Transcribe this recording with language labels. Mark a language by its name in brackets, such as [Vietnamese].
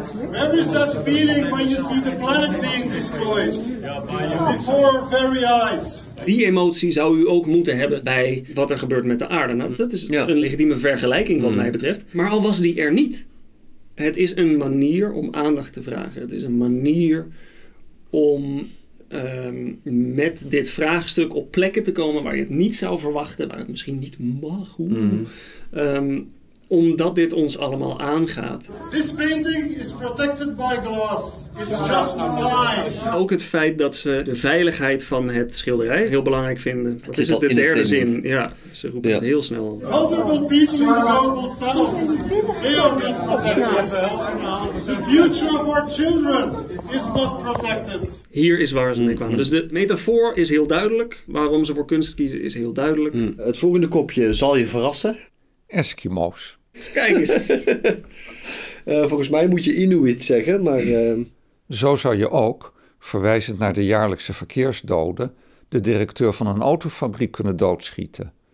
[English] Where is that feeling when you see the planet being destroyed before our very eyes? [Dutch] Die emotie zou u ook moeten hebben bij wat er gebeurt met de aarde. Nou, dat is een legitieme vergelijking wat mij betreft. Maar al was die er niet. Het is een manier om aandacht te vragen. Het is een manier om met dit vraagstuk op plekken te komen waar je het niet zou verwachten, waar het misschien niet mag. Omdat dit ons allemaal aangaat. [English] This painting is protected by glass. It's just fine. [Dutch] Ook het feit dat ze de veiligheid van het schilderij heel belangrijk vinden. Dat is het de derde zin. Ja, ze roepen het heel snel. [English] Vulnerable people in the global south. They are not protected. The future of our children is not protected. [Dutch] Hier is waar ze mee kwamen. Dus de metafoor is heel duidelijk. Waarom ze voor kunst kiezen is heel duidelijk. Het volgende kopje zal je verrassen. Eskimo's. Kijk eens. Volgens mij moet je Inuit zeggen, maar... Zo zou je ook, verwijzend naar de jaarlijkse verkeersdoden, de directeur van een autofabriek kunnen doodschieten.